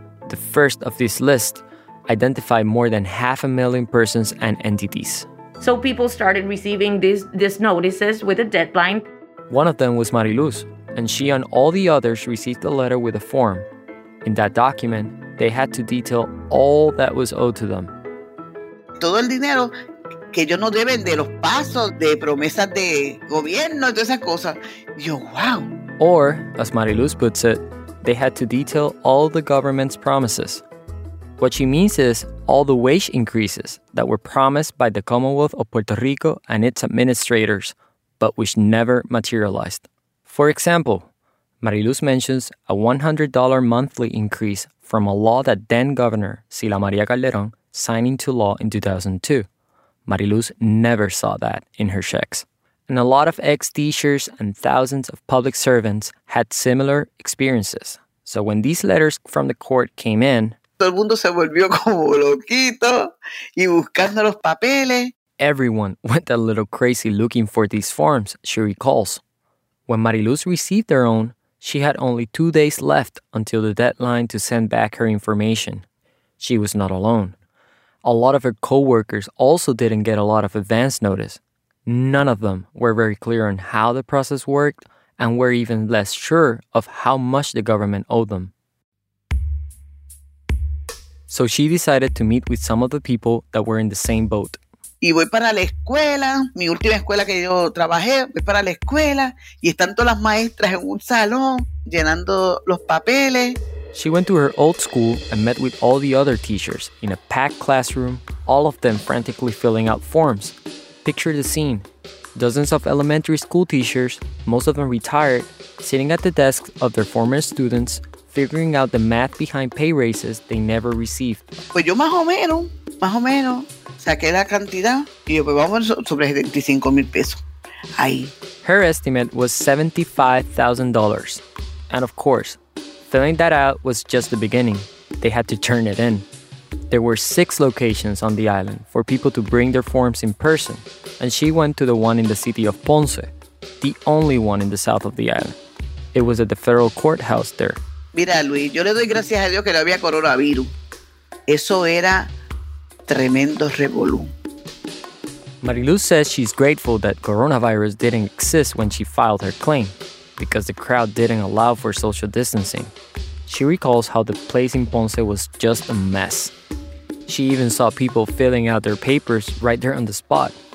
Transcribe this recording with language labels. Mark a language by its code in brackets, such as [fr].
[en] The first of this list identified more than 500,000 persons and entities. So people started receiving these notices with a deadline. One of them was Mariluz, and she and all the others received a letter with a form. In that document, they had to detail all that was owed to them. [es] Todo el dinero que ellos no deben de los pasos, de promesas de gobierno, todas esas cosas. Yo, wow. [en] Or, as Mariluz puts it, they had to detail all the government's promises. What she means is all the wage increases that were promised by the Commonwealth of Puerto Rico and its administrators, but which never materialized. For example, Mariluz mentions a $100 monthly increase from a law that then-governor Sila Maria Calderon signed into law in 2002. Mariluz never saw that in her checks. And a lot of ex-teachers and thousands of public servants had similar experiences. So when these letters from the court came in, [es] todo el mundo se volvió como loquito y buscando los papeles. [en] Everyone went a little crazy looking for these forms, she recalls. When Mariluz received her own, she had only 2 days left until the deadline to send back her information. She was not alone. A lot of her co-workers also didn't get a lot of advance notice. None of them were very clear on how the process worked and were even less sure of how much the government owed them. So she decided to meet with some of the people that were in the same boat. [es] Y voy para la escuela, mi última escuela que yo trabajé, voy para la escuela y están todas las maestras en un salón llenando los papeles. [en] She went to her old school and met with all the other teachers in a packed classroom, all of them frantically filling out forms. Picture the scene. Dozens of elementary school teachers, most of them retired, sitting at the desks of their former students, figuring out the math behind pay raises they never received. [es] Pues yo más o menos, saqué la cantidad y yo, pues vamos sobre 75 mil pesos. Ahí. [en] Her estimate was $75,000. And of course, filling that out was just the beginning. They had to turn it in. There were 6 locations on the island for people to bring their forms in person, and she went to the one in the city of Ponce, the only one in the south of the island. It was at the federal courthouse there. [es] Mira, Luis, yo le doy gracias a Dios que no había coronavirus. Eso era tremendo revolú. [en] Mariluz says she's grateful that coronavirus didn't exist when she filed her claim, because the crowd didn't allow for social distancing. She recalls how the place in Ponce was just a mess. She even saw people filling out their papers right there on the spot.